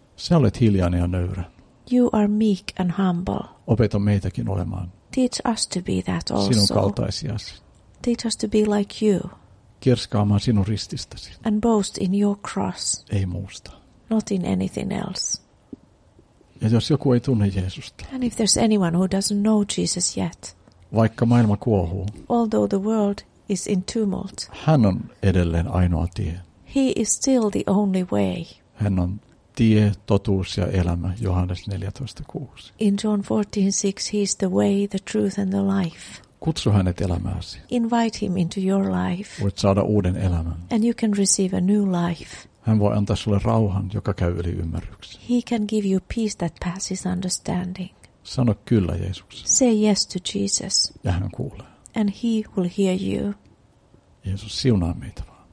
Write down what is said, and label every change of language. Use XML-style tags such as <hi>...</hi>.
<fi>Sä olet hiljainen ja nöyrä.</fi> <en>You are meek and humble.</en> <fi>Opeta meitäkin olemaan.</fi> <en>Teach us to be that also.</en> <fi>Sinun kaltaisiasi.</fi> <en>Teach us to be like you.</en> <fi>Kerskaamaan sinun rististäsi.</fi> <en>And boast in your cross.</en> <fi>Ei muusta.</fi> <en>Not in anything else.</en> <fi>Ja jos joku ei tunne Jeesusta.</fi> <en>And if there's anyone who doesn't know Jesus yet.</en> <fi>Vaikka maailma kuohuu.</fi> <en>Although the world is in tumult.</en> <fi>Hän on edelleen ainoa tie.</fi> <en>He is still the only way.</en> <fi>Hän on tie, totuus ja elämä, Johannes 14:6.</fi> <en>In John 14:6 he is the way, the truth and the life.</en> <fi>Kutsu hänet elämääsi.</fi> <en>Invite him into your life.</en> <fi>Voit saada uuden elämän.</fi> <en>And you can receive a new life.</en> <fi>Hän voi antaa sulle rauhan, joka käy yli ymmärryksen.</fi> <en>He can give you peace that passes understanding.</en> <fi>Sano kyllä Jeesukselle.</fi> <en>Say yes to Jesus.</en> <fi>Ja hän kuulee.</fi> <en>And he will hear you.</en> <fi>Jeesus, siunaa meitä vaan.</fi>